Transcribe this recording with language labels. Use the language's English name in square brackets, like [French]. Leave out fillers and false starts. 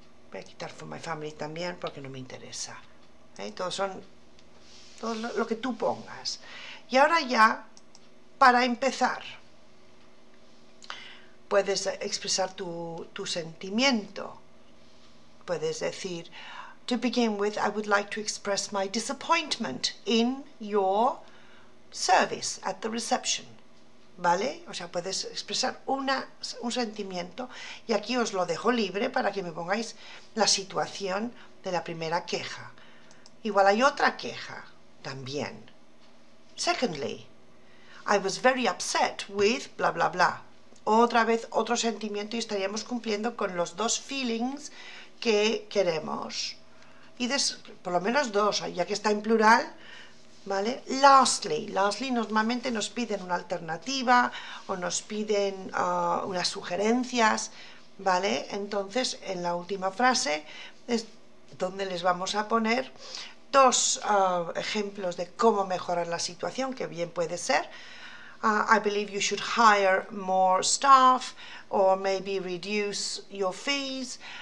[Spanish] Voy a quitar for my family también porque no me interesa. ¿Eh? Todo lo que tú pongas. Y ahora ya, para empezar, puedes expresar tu sentimiento. [English] Puedes decir, to begin with, I would like to express my disappointment in your service at the reception. [Spanish] ¿Vale? O sea, puedes expresar un sentimiento y aquí os lo dejo libre para que me pongáis la situación de la primera queja. Igual hay otra queja también. [English] Secondly, I was very upset with bla bla bla. [Spanish] Otra vez otro sentimiento y estaríamos cumpliendo con los dos feelings que queremos. Y por lo menos dos, ya que está en plural, ¿vale? Lastly, normalmente nos piden una alternativa o nos piden unas sugerencias, ¿vale? Entonces, en la última frase es donde les vamos a poner dos ejemplos de cómo mejorar la situación, que bien puede ser. [English] I believe you should hire more staff or maybe reduce your fees.